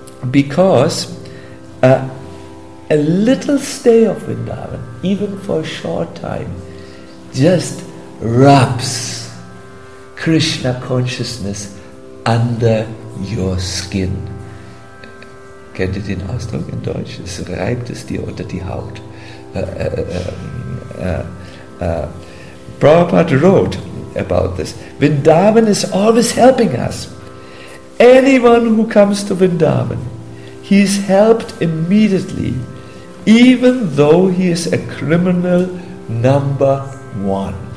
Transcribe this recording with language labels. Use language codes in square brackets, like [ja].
[en] Because a little stay of Vrindavan, even for a short time, just rubs Krishna consciousness under your skin. [de] Kennt ihr den Ausdruck in Deutsch? Es reibt es dir unter die Haut. [en] Prabhupada wrote about this. Vrindavan is always helping us. Anyone who comes to Vrindavan, he is helped immediately, even though he is a criminal number one.